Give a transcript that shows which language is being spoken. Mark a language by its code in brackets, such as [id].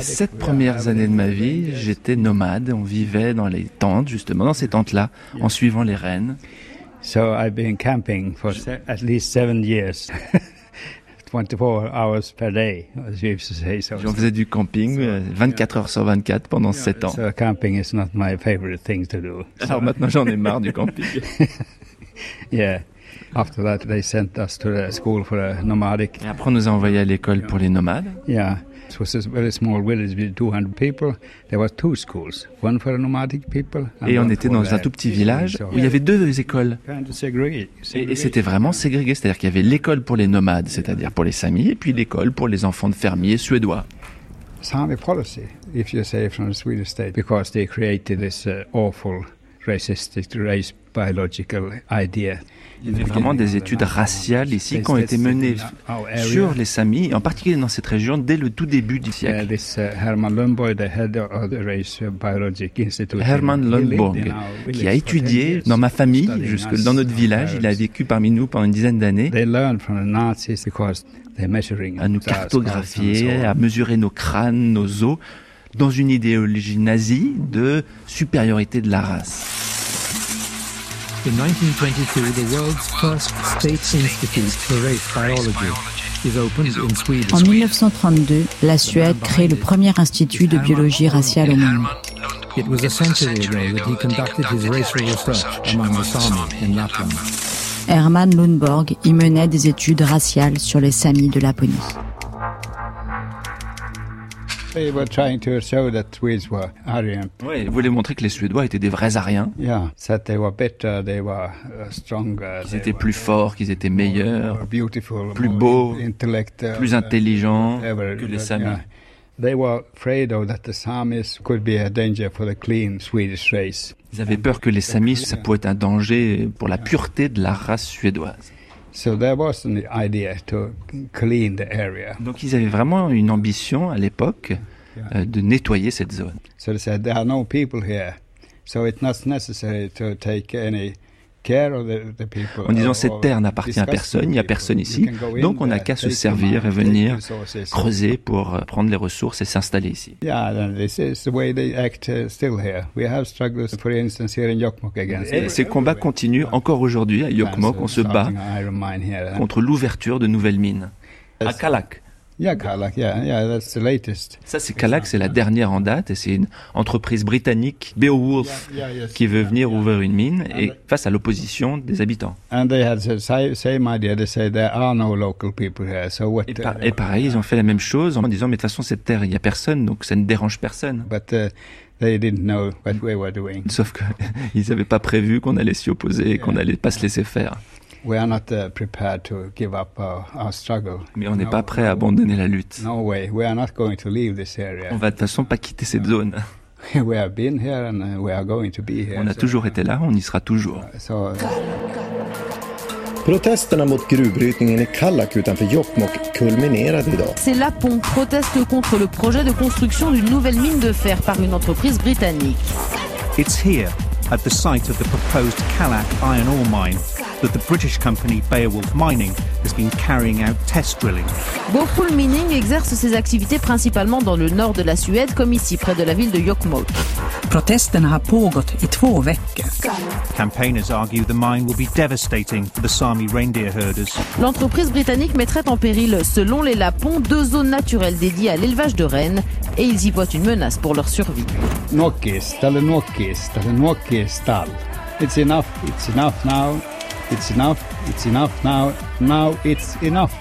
[fr] sept premières années de ma vie, j'étais nomade. On vivait dans les tentes, justement, dans ces tentes-là, en suivant les rennes. [en] So I've been camping for at least 7 years. 24 hours per day, as you used to say. So [fr] j'en faisais du camping 24 heures sur 24 pendant 7 ans. [en] So camping is not my favorite thing to do. [fr] Alors maintenant j'en ai marre du camping. [en] Yeah. After that they sent us to the school for a nomadic. [fr] Et après on nous a envoyé à l'école pour les nomades. [en] Yeah. It was a very small village with 200 people. There were two schools, one for nomadic people. [fr] Et on était dans un tout petit village où il y avait deux écoles. Et c'était vraiment ségrégé, c'est-à-dire qu'il y avait l'école pour les nomades, c'est-à-dire pour les Samis, et puis l'école pour les enfants de fermiers suédois. [en] Sami policy, if you say from the Swedish state, because they created this awful racistic race biological idea. [fr] Il y avait vraiment des études raciales ici qui ont été menées sur les Samis, en particulier dans cette région, dès le tout début du siècle. [en] Herman Lundborg, the head of the race biologic institute. [fr] Herman Lundborg, qui a étudié dans ma famille, jusque dans notre village, il a vécu parmi nous pendant une dizaine d'années. [en] They learned from the Nazis because they're measuring. [fr] À nous cartographier, à mesurer nos crânes, nos os, dans une idéologie nazie de supériorité de la race. [en] In 1922, the world's first state institute for race biology is opened in Sweden. [fr] En 1932, la Suède crée le premier institut de biologie raciale au monde. [en] It was a century ago that he conducted his racial research among the Sami in Lapland. [fr] Herman Lundborg y menait des études raciales sur les Samis de Laponie. [en] They were trying to show that Swedes were Aryan. [fr] Ouais, ils voulaient montrer que les Suédois étaient des vrais Aryens. [en] Yeah, that they were better, they were stronger. [fr] Ils étaient plus forts, qu'ils étaient meilleurs, [en] more beautiful, [fr] plus beaux, plus intelligents que les Samis. [en] Yeah. They were afraid of that the Samis could be a danger for the clean Swedish race. [fr] Ils avaient peur que les Samis, ça pouvait être un danger pour la pureté de la race suédoise. [en] So there was an idea to clean the area. [fr] Donc ils avaient vraiment une ambition à l'époque de nettoyer cette zone. [en] So they said there are no people here, so it's not necessary to take any care of the people. [fr] En disant cette terre n'appartient à personne, il n'y a personne ici, donc on n'a qu'à se servir et venir creuser pour prendre les ressources et s'installer ici. [en] Yeah, and this is the way they act still here. We have struggles, for instance, here in Jokkmokk against. [fr] Et ces combats continuent encore aujourd'hui à Jokkmokk. On se bat contre l'ouverture de nouvelles mines à Kallak. [en] Yeah, Kallak. Yeah, that's the latest. [fr] Ça, c'est Kallak, c'est la dernière en date, et c'est une entreprise britannique, Beowulf, qui veut venir ouvrir une mine, et face à l'opposition des habitants. [en] And they had the same idea. They say there are no local people here, so what? [fr] Et pareil, ils ont fait la même chose en disant, mais de toute façon, cette terre, il y a personne, donc ça ne dérange personne. [en] But they didn't know what we were doing. [fr] Sauf que ils n'avaient pas prévu qu'on allait s'y opposer, et qu'on allait pas se laisser faire. [en] We are not prepared to give up our struggle. [fr] Mais on n'est pas prêt à abandonner la lutte. [en] No way. We are not going to leave this area. [fr] On va de toute façon pas quitter cette zone. [en] We have been here and we are going to be here. [fr] On a toujours été là, on y sera toujours. [sv] Protesterna mot gruvbrytningen i Kallak utanför Jokkmokk kulminerade idag. [fr] C'est Lapon proteste contre le projet de construction d'une nouvelle mine de fer par une entreprise britannique. [en] It's here at the site of the proposed Kallak iron ore mine that the British company Beowulf Mining has been carrying out test drilling. [fr] Beowulf Mining exerce ses activités principalement dans le nord de la Suède, comme ici, près de la ville de Jokkmokk. [sv] Protesterna har pågått i 2 veckor. [en] Campaigners argue the mine will be devastating for the Sami reindeer herders. [fr] L'entreprise britannique mettrait en péril, selon les Lapons, 2 zones naturelles dédiées à l'élevage de rennes, et ils y voient une menace pour leur survie. [en] Nokkis, tal. It's enough now. It's enough now.